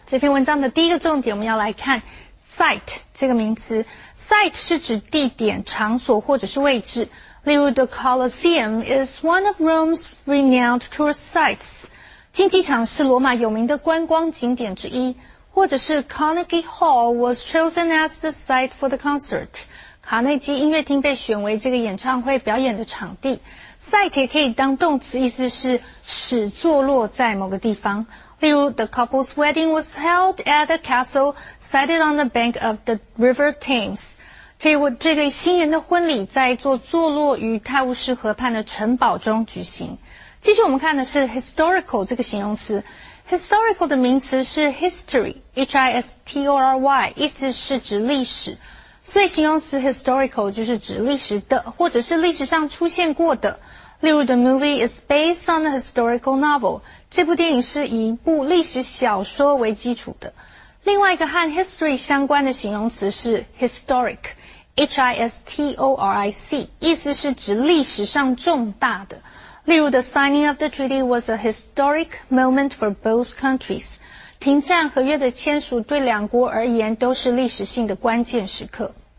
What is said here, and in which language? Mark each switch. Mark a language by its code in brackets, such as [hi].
[zh] 这篇文章的第一个重点我们要来看 site 这个名词。 Site 是指地点、场所或者是位置。例如 [en] The Colosseum is one of Rome's renowned tourist sites. [zh] 竞技场是罗马有名的观光景点之一。或者是 [en] Carnegie Hall was chosen as the site for the concert. [zh] 卡内基音乐厅被选为这个演唱会表演的场地。 Site 也可以当动词，意思是始坐落在某个地方。例如 [en] The couple's wedding was held at a castle sited on the bank of the River Thames. [zh] 这个新人的婚礼在一座坐落于泰晤士河畔的城堡中举行。继续我们看的是 historical 这个形容词。historical 的名词是 history,H-I-S-T-O-R-Y, 意思是指历史。所以形容词 historical 就是指历史的或者是历史上出现过的。例如 [en] the movie is based on a historical novel, [zh] 这部电影是以一部历史小说为基础的。另外一个和 history 相关的形容词是 historic,H-I-S-T-O-R-I-C, 意思是指历史上重大的。例如 [en] the signing of the treaty was a historic moment for both countries. [zh] 停战合约的签署对两国而言都是历史性的关键时刻。